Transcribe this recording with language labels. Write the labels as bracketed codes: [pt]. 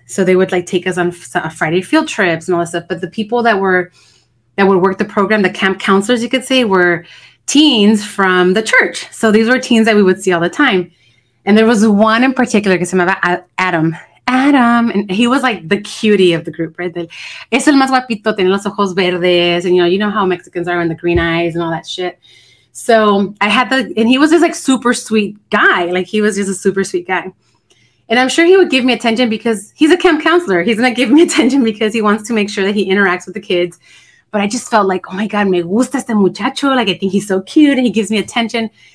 [en] So they would, like, take us on Friday field trips and all that stuff. But the people that would work the program, the camp counselors, you could say, were teens from the church. So these were teens that we would see all the time. And there was one in particular, because I remember Adam, and he was like the cutie of the group, right? [es] Es el más guapito, tiene los ojos verdes. [en] And you know how Mexicans are, and the green eyes and all that shit. So I had and he was just like super sweet guy. Like, he was just a super sweet guy. And I'm sure he would give me attention because he's a camp counselor. He's going to give me attention because he wants to make sure that he interacts with the kids. But I just felt like, oh my God, [es] me gusta este muchacho. [en] Like, I think he's so cute and he gives me attention.